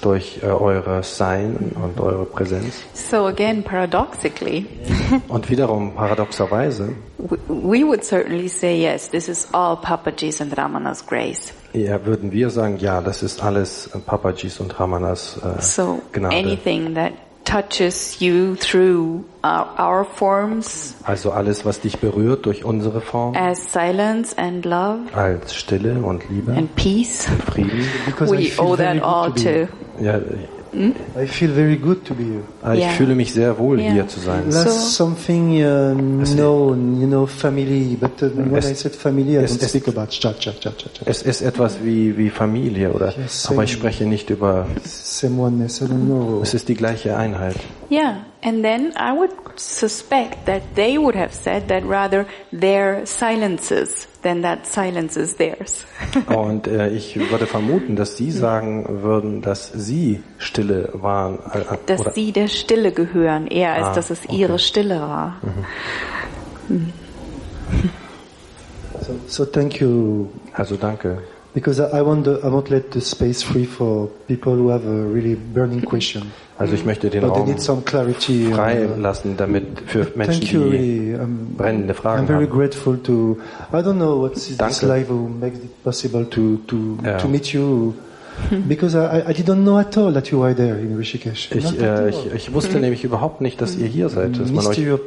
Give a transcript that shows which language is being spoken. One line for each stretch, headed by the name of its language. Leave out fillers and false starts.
German: Durch eure Sein und eure Präsenz.
English: So again, paradoxically.
German: Und wiederum paradoxerweise.
English: We would certainly say yes. This is all Papaji's and Ramana's grace.
German: Ja, würden wir sagen, ja, das ist alles Papaji's und Ramana's Gnade.
English: So anything that touches you through our forms.
German: Also alles, was dich berührt durch unsere Form.
English: As silence and love.
German: Als Stille und Liebe.
English: And peace.
German: Und Frieden.
English: Because we owe that all to.
German: Ja,
English: I feel very good to be here.
German: Ich fühle mich sehr wohl hier zu sein.
English: That's something known, you know, family. But when I said family, I don't speak about cha-cha-cha-cha.
German: Es ist etwas wie Familie, oder?
English: Yes,
German: aber ich spreche nicht über.
English: Same oneness, I don't know.
German: Es ist die gleiche Einheit.
English: Yeah, and then I would suspect that they would have said that rather their silences than that silence is theirs.
German: Und ich würde vermuten, dass sie sagen würden, dass sie Stille waren. Dass sie der Stille gehören, eher als dass es ihre Stille war.
English: So thank you.
German: Also danke.
English: Because I won't let the space free for people who have a really burning question.
German: Also ich möchte den Raum frei lassen, damit für Menschen, die brennende Fragen haben.
English: I'm very grateful to. I don't know what this life who makes it possible to meet you. Because I didn't know at all that you were there in Rishikesh.
German: Ich wusste nämlich überhaupt nicht, dass ihr hier seid, dass man euch